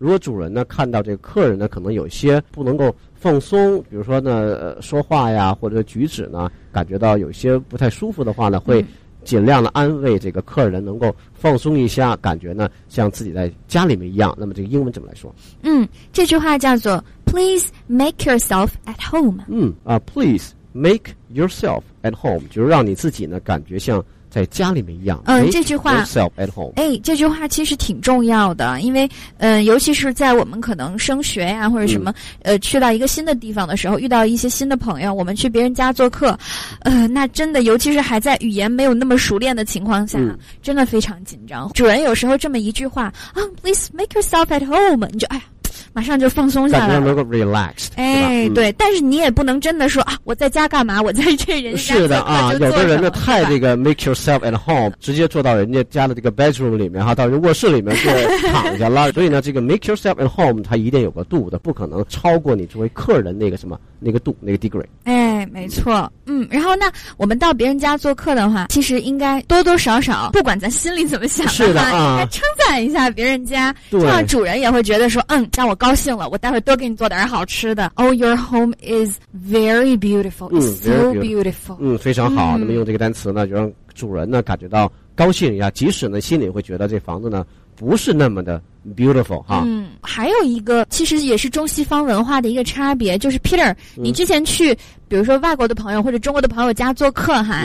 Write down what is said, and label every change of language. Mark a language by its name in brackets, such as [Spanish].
[Chinese] 如果主人呢看到这个客人呢可能有些不能够放松，比如说呢说话呀或者举止呢感觉到有些不太舒服的话呢，会尽量的安慰这个客人能够放松一下，感觉呢像自己在家里面一样。那么这个英文怎么来说？嗯，这句话叫做 [English] please make yourself at home。 [Chinese] 嗯啊 [English] please make yourself at home， [Chinese] 就是让你自己呢感觉像在家里面一样。嗯，这句话 [English] yourself at home， [Chinese] 哎，这句话其实挺重要的，因为尤其是在我们可能升学呀、啊、或者什么、嗯、去到一个新的地方的时候，遇到一些新的朋友，我们去别人家做客，那真的尤其是还在语言没有那么熟练的情况下、嗯、真的非常紧张。主人有时候这么一句话啊、 [English] oh, please make yourself at home， [Chinese] 你就哎呀马上就放松下来了，感觉能够 relaxed。哎，对、嗯、但是你也不能真的说啊，我在家干嘛，我在这人家做什么。是的啊，有的人呢太这个 [English] make yourself at home， [Chinese] 直接坐到人家家的这个 bedroom 里面哈，到人卧室里面就躺下了。所以呢这个 make yourself at home 它一定有个度的，不可能超过你作为客人那个什么那个度那个 degree。哎，没错。嗯，然后那我们到别人家做客的话，其实应该多多少少不管咱心里怎么想的话，是的、啊、应该称赞一下别人家，这样主人也会觉得说嗯让我高兴了，我待会儿多给你做点好吃的。 [English] Oh your home is very beautiful、 [Chinese] 嗯、 [English] It's so [Chinese] beautiful。 嗯，非常好、嗯、那么用这个单词呢就让主人呢感觉到高兴一下，即使呢心里会觉得这房子呢不是那么的 beautiful 哈。嗯，还有一个其实也是中西方文化的一个差别，就是 Peter、嗯、你之前去比如说外国的朋友或者中国的朋友家做客哈、